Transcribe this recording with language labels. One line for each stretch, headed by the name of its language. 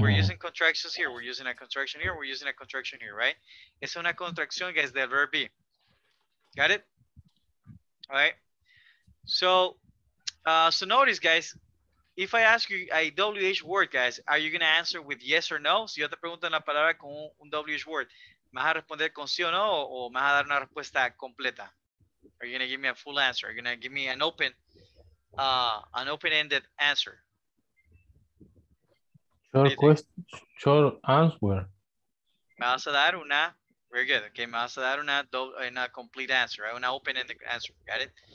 English: We're using contractions here. We're using a contraction here. We're using a contraction here, right?
Spanish: Es una contracción,
English: guys, del verb be. Got it? All right. So notice, guys, if I ask you a WH word, guys, are you going to answer with yes or no?
Spanish: Si yo te pregunto una palabra con un WH word, ¿me vas a responder con sí o no? ¿O me vas a dar una respuesta completa?
English: Are you going to give me a full answer? Are you going to give me an open... an open-ended answer. Short question, short answer.
Spanish: Me vas a dar una,
English: very good.
Spanish: Okay, me vas a dar una, una
English: complete answer,
Spanish: right? Una
English: open-ended answer. Got it?